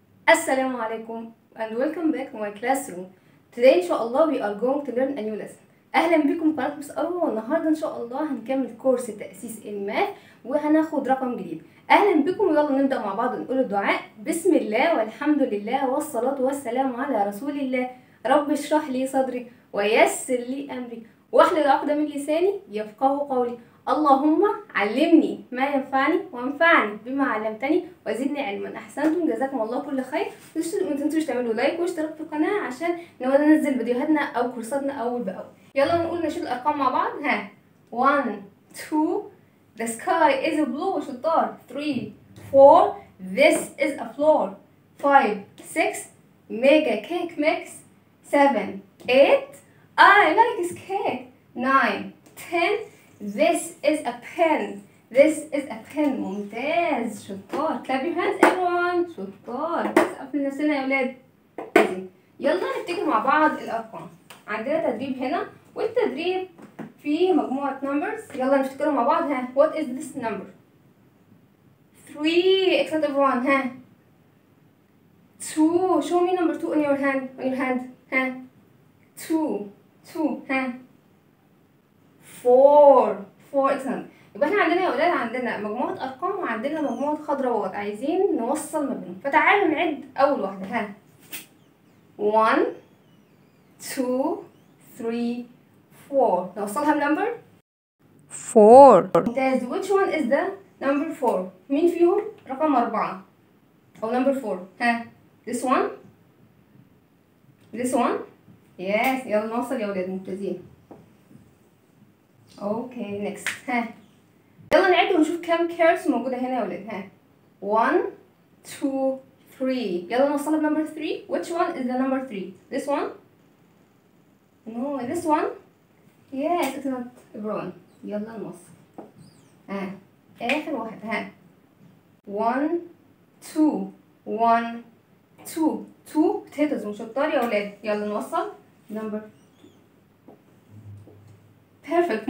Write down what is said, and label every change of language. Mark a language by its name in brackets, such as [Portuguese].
[Arabic] السلام عليكم [English] and welcome back to my classroom. Today ان شاء الله we are going to learn a new lesson. [Arabic] اهلا بكم في قناه بسألوا، والنهارده ان شاء الله هنكمل كورس تأسيس الماث وهناخد رقم جديد. اهلا بكم، ويلا نبدا مع بعض نقول الدعاء. بسم الله والحمد لله والصلاه والسلام على رسول الله. رب اشرح لي صدري ويسر لي امري واحلل عقده من لساني يفقهوا قولي. اللهم علمني ما ينفعني وانفعني بما علمتني وزدني علما. احسنتم، جزاكم الله كل خير. ما تنسوش تعملوا لايك واشتركوا في القناه عشان نقدر ننزل فيديوهاتنا او كورساتنا اول باول. يلا نقول نشيل الارقام مع بعض. [English] ها 1 2 the sky is a blue شطار. 3 4 this is a floor. 5 6 mega cake mix. 7 8 I like this cake. 9 10 This is a pen. This is a pen. [Arabic] ممتاز شطار. [English] Clap your hands everyone. [Arabic] شطار. قفل نفسنا يا ولاد. يلا نفتكر مع بعض الأرقام. عندنا تدريب هنا والتدريب فيه مجموعة numbers. يلا نفتكرهم مع بعض. ها. [English] What is this number? [Arabic] 3. [English] Excellent everyone. ها. 2. Show me number 2 on your hand. On your hand. ها. 2. ها. [Arabic] 4 اكسلنت. يبقى احنا عندنا يا اولاد عندنا مجموعه ارقام وعندنا مجموعه خضروات عايزين نوصل ما بينهم، فتعالوا نعد اول واحده. ها 1 2 3 4 نوصلها بنمبر [English] 4. [Arabic] ممتاز. [English] which one is the number 4؟ [Arabic] مين فيهم رقم 4 او نمبر 4؟ [English] ها this one yes. [Arabic] يلا نوصل يا اولاد ممتازين. اوكي نيكست. ها يلا نعد ونشوف كم كيرس موجوده هنا يا ولاد. ها 1 2 3 يلا نوصلها بنمبر 3. [English] which one is the number 3؟ this one no this one yes it's not brown. [Arabic] يلا نوصل. ها اخر واحد. ها 1 2 1 2 2 potatoes مش شطار يا ولاد. يلا نوصل نمبر perfect.